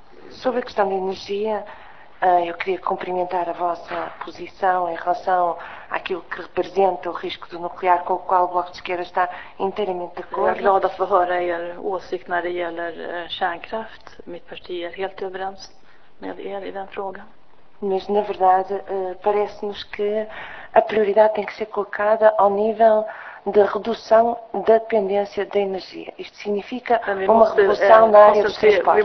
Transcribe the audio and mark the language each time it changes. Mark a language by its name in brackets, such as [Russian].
[Portuguese] Sobre a questão de energia, eu queria cumprimentar a vossa posição em relação àquilo que representa o risco do nuclear, com o qual o Bloco de Esquerda está inteiramente de acordo. [Swedish] Jag är glad att få höra er åsikt när det gäller kärnkraft. Mitt parti är helt överens med er i den frågan. [Portuguese] Mas, na verdade, parece-nos que a prioridade tem que ser colocada ao nível de redução da dependência da energia. Isto significa uma redução na área dos transportes.